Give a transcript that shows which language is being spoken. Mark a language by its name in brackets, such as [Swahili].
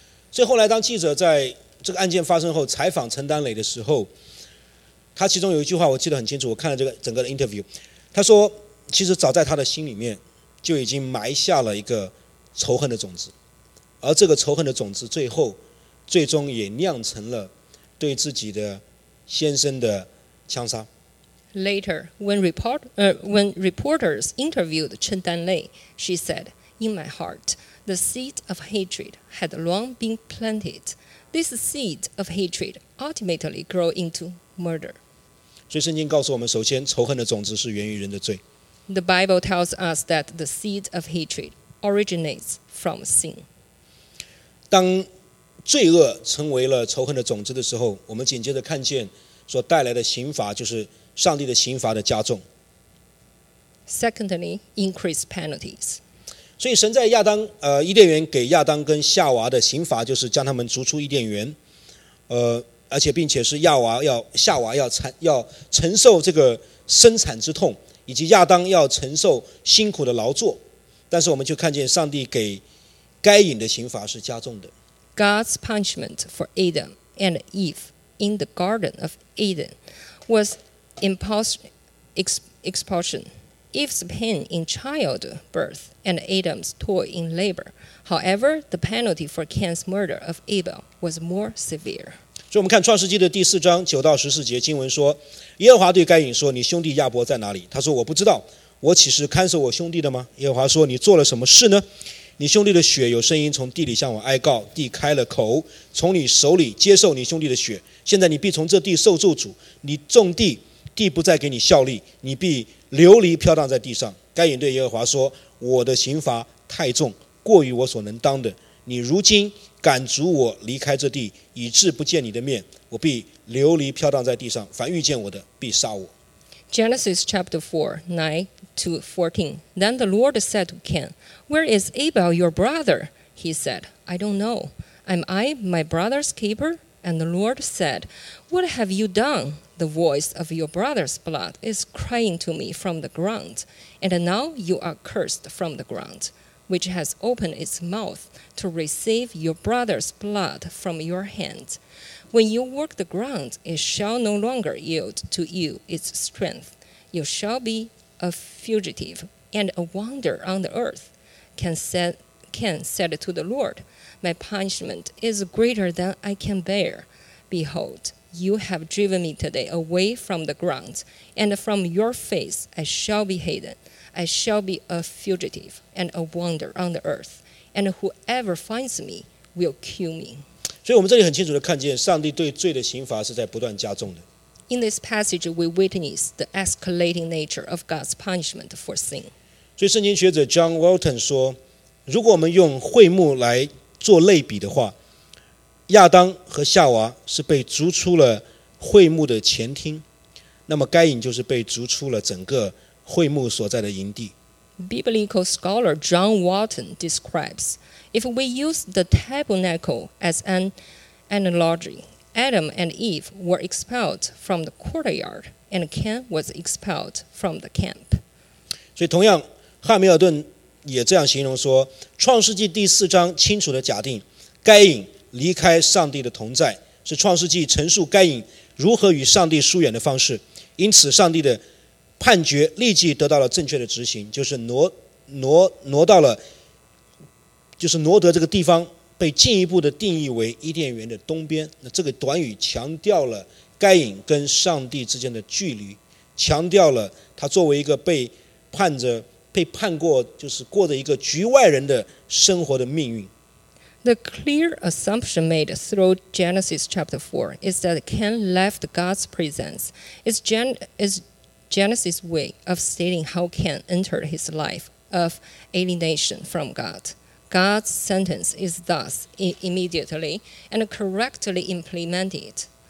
[Chinese] 所以后来当记者在这个案件发生后采访陈丹磊的时候，他其中有一句话我记得很清楚，我看了这个整个的 interview， 他说其实早在他的心里面就已经埋下了一个仇恨的种子，而这个仇恨的种子最后最终也酿成了对自己的先生的枪杀。 [English] Later, when reporters interviewed Chen Danlei, she said, "In my heart, the seed of hatred had long been planted. This seed of hatred ultimately grew into murder." [Chinese] 所以圣经告诉我们，首先仇恨的种子是源于人的罪。 [English] The Bible tells us that the seed of hatred originates from sin. [Chinese] 当罪恶成为了仇恨的种子的时候，我们紧接着看见所带来的刑罚就是上帝的刑罚的加重。 [English] Secondly, increased penalties. [Chinese] 所以神在亚当伊甸园给亚当跟夏娃的刑罚就是将他们逐出伊甸园，而且并且是夏娃要承受这个生产之痛，以及亚当要承受辛苦的劳作。但是我们就看见上帝给该隐的刑罚是加重的。 [English] God's punishment for Adam and Eve in the Garden of Eden was expulsion. Eve's pain in childbirth and Adam's toil in labor. However, the penalty for Cain's murder of Abel was more severe. [Chinese] 所以我们看创世纪的第四章九到十四节经文说，耶和华对该隐说，你兄弟亚伯在哪里？他说，我不知道，我岂是看守我兄弟的吗？耶和华说，你做了什么事呢？你兄弟的血有声音从地里向我哀告，地开了口，从你手里接受你兄弟的血。现在你必从这地受咒诅，你种地，地不再给你效力，你必流离飘荡在地上。该隐对耶和华说，我的刑罚太重，过于我所能当的，你如今赶逐我离开这地，以致不见你的面，我必流离飘荡在地上，凡遇见我的必杀我。 [English] Genesis chapter 4:9-14. Then the Lord said to Cain, Where is Abel, your brother? He said, I don't know. Am I my brother's keeper? And the Lord said, "What have you done? The voice of your brother's blood is crying to me from the ground, and now you are cursed from the ground, which has opened its mouth to receive your brother's blood from your hand. When you work the ground, it shall no longer yield to you its strength. You shall be a fugitive and a wanderer on the earth." Cain said to the Lord, "My punishment is greater than I can bear. Behold, you have driven me today away from the ground, and from your face I shall be hidden. I shall be a fugitive and a wanderer on the earth, and whoever finds me will kill me." [Chinese] 所以我们这里很清楚地看见 上帝对罪的刑罚是在不断加重的。 [English] In this passage, we witness the escalating nature of God's punishment for sin. [Chinese] 所以圣经学者 John Walton 说, 如果我们用会幕来做类比的话, 亚当和夏娃是被逐出了会幕的前厅, 那么该隐就是被逐出了整个会幕所在的营地。 [English] Biblical scholar John Walton describes, if we use the tabernacle as an analogy, Adam and Eve were expelled from the courtyard, and Cain was expelled from the camp. [Chinese] 所以同样, 汉密尔顿也这样形容说, 创世纪第四章清楚地假定, 该隐离开上帝的同在, 是创世纪陈述该隐如何与上帝疏远的方式, 因此上帝的判决立即得到了正确的执行, 就是挪到了挪得这个地方, 被进一步地定义为伊甸园的东边, 那这个短语强调了该隐跟上帝之间的距离, 强调了他作为一个被判着被判过就是过着一个局外人的生活的命运。 [English] The clear assumption made through Genesis chapter 4 is that Cain left God's presence. It's Genesis' way of stating how Cain entered his life of alienation from God. God's sentence is thus immediately and correctly implemented.